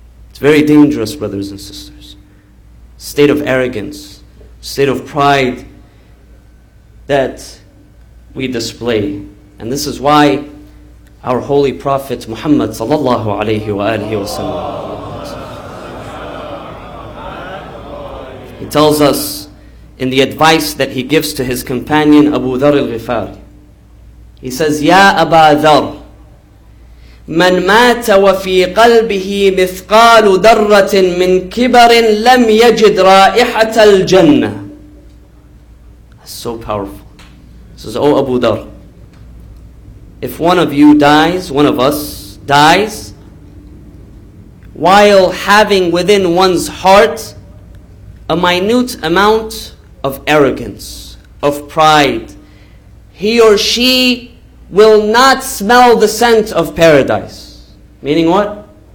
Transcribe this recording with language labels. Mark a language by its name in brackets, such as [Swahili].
[English] It's very dangerous, brothers and sisters. State of arrogance, state of pride that we display. And this is why our Holy Prophet Muhammad sallallahu alayhi wa alihi wa sallam, he tells us in the advice that he gives to his companion Abu Dharr al-Ghifari. He says, [Arabic] يَا أَبَا ذَرْ مَنْ مَاتَ وَفِي قَلْبِهِ مِثْقَالُ دَرَّةٍ مِنْ كِبَرٍ لَمْ يَجِدْ رَائِحَةَ الْجَنَّةِ. [English] That's so powerful. He says, oh Abu Dharr, if one of you dies, one of us dies, while having within one's heart a minute amount of arrogance, of pride, he or she will not smell the scent of paradise. Meaning what?